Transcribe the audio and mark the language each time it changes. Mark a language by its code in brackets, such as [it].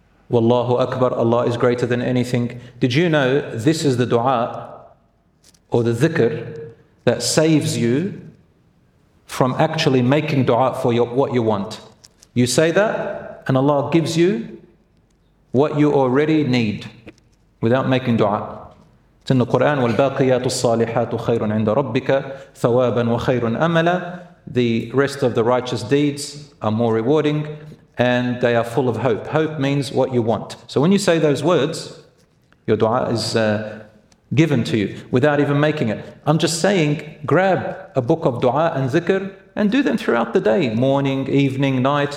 [en] Wallahu akbar, Allah is greater than anything. Did you know this is the dua or the dhikr that saves you from actually making dua for what you want? You say that and Allah gives you what you already need without making dua. It's in the Quran, [ar] وَالْبَاقِيَاتُ الصَّالِحَاتُ خَيْرٌ عِنْدَ رَبِّكَ ثَوَابًا وَخَيْرٌ أَمَلًا. [en] The rest of the righteous deeds are more rewarding and they are full of hope. Hope means what you want. So when you say those words, your dua is given to you without even making it. I'm just saying, grab a book of dua and zikr and do them throughout the day, morning, evening, night.